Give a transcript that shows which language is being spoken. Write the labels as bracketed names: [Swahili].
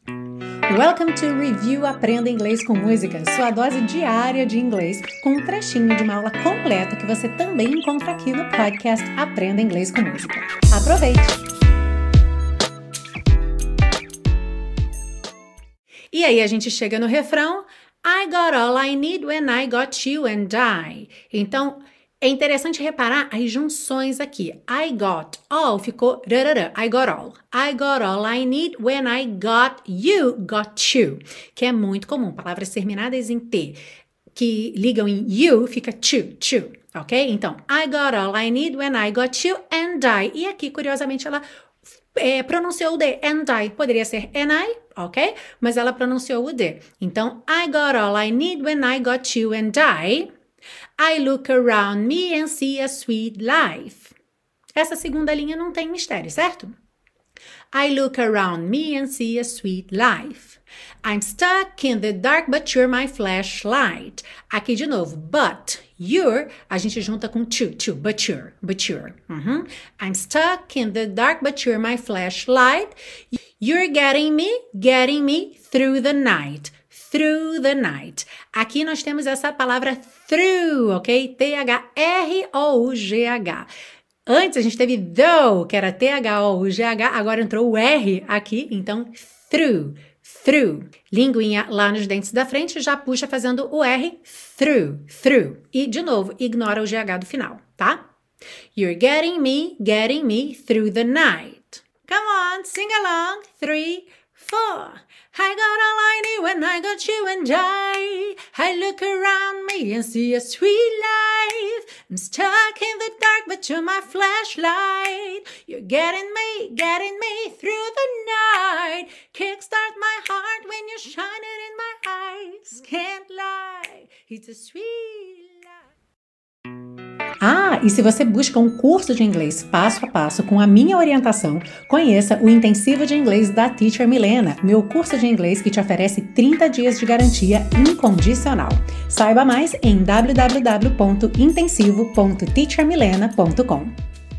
[Portuguese] Welcome to Review Aprenda Inglês com Música, sua dose diária de inglês, com um trechinho de uma aula completa que você também encontra aqui no podcast Aprenda Inglês com Música. Aproveite! E aí a gente chega no refrão, [English] I got all I need when I got you and I. [Portuguese] Então, é interessante reparar as junções aqui. [English] I got all [Portuguese] ficou rarara, [English] I got all. I got all I need when I got you, [Portuguese] que é muito comum, palavras terminadas em T, que ligam em you, fica to, to, ok? Então, [English] I got all I need when I got you and I. [Portuguese] E aqui, curiosamente, ela pronunciou o D, [English] and I, [Portuguese] poderia ser and I, ok? Mas ela pronunciou o D. Então, [English] I got all I need when I got you and I. I look around me and see a sweet life. [Portuguese] Essa segunda linha não tem mistério, certo? [English] I look around me and see a sweet life. I'm stuck in the dark, but you're my flashlight. [Portuguese] Aqui de novo, [English] but, you're, [Portuguese] a gente junta com to, to, [English] but you're. [Portuguese] Uh-huh. [English] I'm stuck in the dark, but you're my flashlight. You're getting me through the night. Through the night. [Portuguese] Aqui nós temos essa palavra through, ok? T-H-R-O-U-G-H. Antes a gente teve though, que era T-H-O-U-G-H, agora entrou o R aqui, então through, through. Linguinha lá nos dentes da frente já puxa fazendo o R, through, through. E de novo, ignora o G-H do final, tá? [English] You're getting me through the night. Come on, sing along, three, four. I got all I need when I got you and I. I look around me and see a sweet life. I'm stuck in the dark, but you're my flashlight. You're getting me through the night. Kickstart my heart when you're shining in my eyes. Can't lie, it's a sweet [Portuguese] Ah, e se você busca um curso de inglês passo a passo com a minha orientação, conheça o Intensivo de Inglês da Teacher Milena, meu curso de inglês que te oferece 30 dias de garantia incondicional. Saiba mais em www.intensivo.teachermilena.com.